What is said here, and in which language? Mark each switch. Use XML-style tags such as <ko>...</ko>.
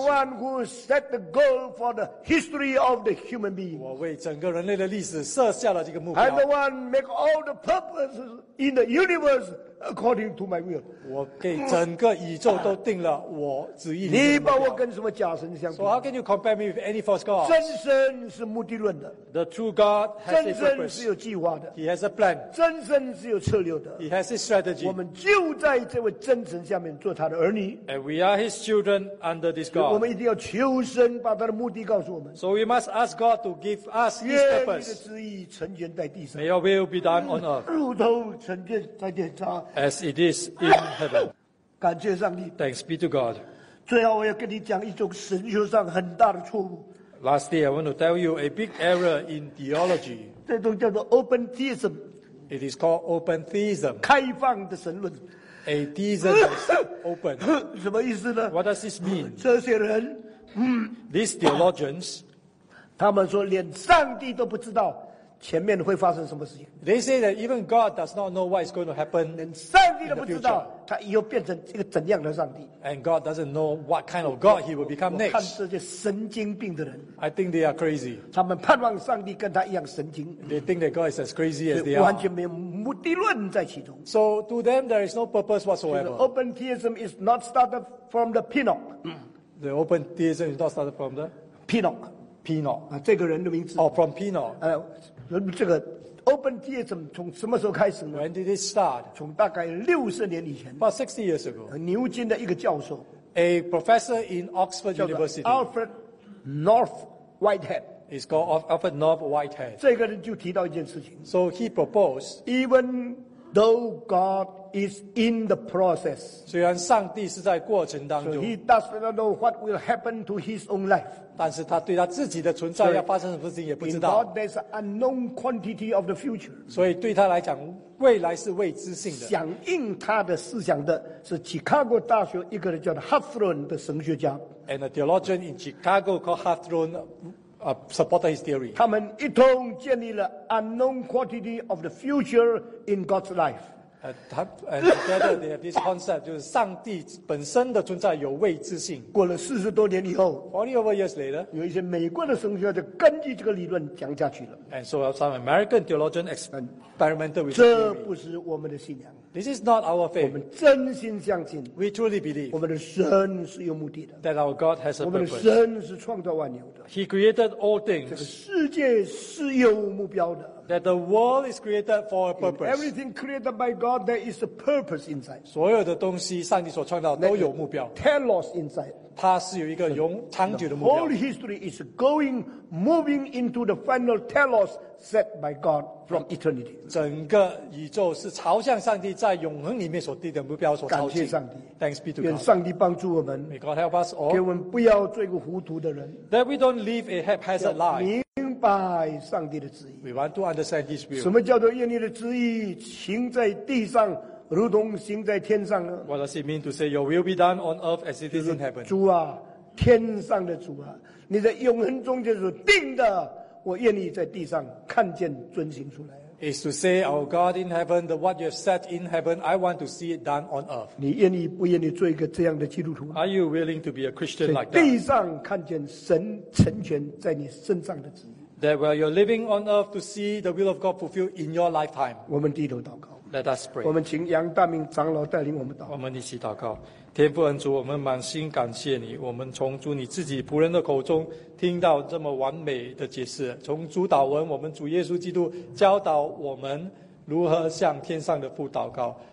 <en>I am the one who set the goal for the history of the human being.</en> <zh>我为整个人类的历史设下了这个目标。</zh> <en>I am the one make all the purposes in the universe according to my will.</en> <zh>我给整个宇宙都定了我旨意。你把我跟什么假神相比？</zh> <en>So how can you compare me with any false god?</en> <zh>真神是目的论的。</zh> <en>The true God has a purpose. He has a plan.</en> <zh>真神是有策略的。</zh> <en>He has his strategy.</en> <zh>我们就在这位真神下面做他的儿女。</zh> <en>And we are his children under this God.</en> <zh>我们一定要求神把他的目的告诉我们。</zh> <en>So we must ask God to give us his purpose.</en> <zh>愿你的旨意成全在地上。</zh> <en>May your will be done on earth.</en> <zh>如同成全在天上。</zh> <en>As it is in heaven.</en> <zh>感谢上帝。</zh> <en>Thanks be to God.</en> <zh>最后我要跟你讲一种神学上很大的错误。</zh> <en>Lastly, I want to tell you a big error in theology.</en> <zh>这种叫做 open theism.</zh> <en>It is called open theism.</en> <zh>开放的神论。</zh> <en>A theism is open.</en> <zh>什么意思呢？</zh> <en>What does this mean?</en> <zh>这些人，</zh> <en>These theologians,</en> <zh>他们说连上帝都不知道 前面会发生什么事情？</zh> <en>They say that even God does not know what is going to happen.</en> <zh>连上帝都不知道他以后变成一个怎样的上帝。</zh> <en>And God doesn't know what kind of God he will become next.</en> <zh>我看这些神经病的人，</zh> <en>I think they are crazy.</en> <zh>他们盼望上帝跟他一样神经。</zh> <en>They think that God is as crazy as they are.</en> <zh>完全没有目的论在其中。</zh> <en>So to them there is no purpose whatsoever. Open theism is not started from the Pinoch. The open theism is not started from the Pinoch. Pinoch.</en> <zh>这个人的名字。</zh> <en>Oh, from Pinoch.</en> <zh>这个openism 从什么时候开始呢</zh> <en>？When did it start？</en> <zh>从大概60年以前。</zh> <en>About 60 years ago。</en> <zh>牛津的一个教授</zh> <en>，A professor in Oxford University， Alfred North Whitehead。 It's called Alfred North Whitehead。</en> <zh>这个人就提到一件事情。</zh> <en>So he proposed， even though God is in the process，</en> <zh>虽然上帝是在过程当中。</zh> <en>So he does not know what will happen to his own life。</en> <zh>但是他对他自己的存在要发生什么事情也不知道。</zh> <en>In God, there's an unknown quantity of the future。</en> <zh>所以对他来讲，未来是未知性的。响应他的思想的是 Chicago 大学一个人叫 Hawthorne 的神学家。</zh> <en>And a theologian in Chicago called Hawthorne。 Supported his theory.</en> <zh>他们一同建立了</zh> <en>unknown quantity of the future in God's life. And together they have this concept,</en> <zh>就是上帝本身的存在有未知性。过了40多年以后</zh> <en>，40 over years later，</en> <zh>有一些美国的神学家根据这个理论讲下去了。</zh> <en>And so some American theologian experimented with this theory.</en> <zh>这不是我们的信仰。</zh> <en>This is not our faith.</en> <zh>我们真心相信。</zh> <en>We truly believe.</en> <zh>我们的神是有目的的。</zh> <en>That our God has a purpose.</en> <zh>我们的神是创造万有的。</zh> <en>He created all things.</en> <zh>这个世界是有目标的。</zh> <en>That the world is created for a purpose. In everything created by God, there is a purpose inside.</en> <zh>所有的东西，上帝所创造都有目标。</zh> <en>Telos inside.</en> <zh>它是有一个永长久的目标。</zh> <en>The whole history is going, moving into the final telos set by God from eternity.</en> <zh>整个宇宙是朝向上帝在永恒里面所定的目标所朝进。感谢上帝。</zh> <en>Thanks be to God.</en> <zh>愿上帝帮助我们。</zh> <en>May God help us all.</en> <zh>给我们不要做一个糊涂的人。</zh> <en>That we don't live a haphazard life.</en> <zh>明白上帝的旨意。</zh> <en>We want to understand His will.</en> <zh>什么叫做愿你的旨意行在地上，如同行在天上呢</zh> <en>？What does it mean to say Your will be done on earth as it is in heaven？</en> <zh>主啊，天上的主啊，你在永恒中就是定的，我愿意在地上看见遵行出来。</zh> <en>Is to say Our God in heaven, the what You have set in heaven, I want to see it done on earth.</en> <zh>你愿意不愿意做一个这样的基督徒</zh> <en>？Are you willing to be a Christian like that？</en> <zh>在地上看见神成全在你身上的旨意。</zh> <en>That while you're living on earth to see the will of God fulfilled in your lifetime.</en> <zh>我们低头祷告。</zh> <en>Let us pray.</en> <zh>我们请杨大明长老带领我们祷告。我们一起祷告。天父恩主，我们满心感谢你。我们从主你自己仆人的口中听到这么完美的解释。从主祷文，我们主耶稣基督教导我们如何向天上的父祷告。</zh>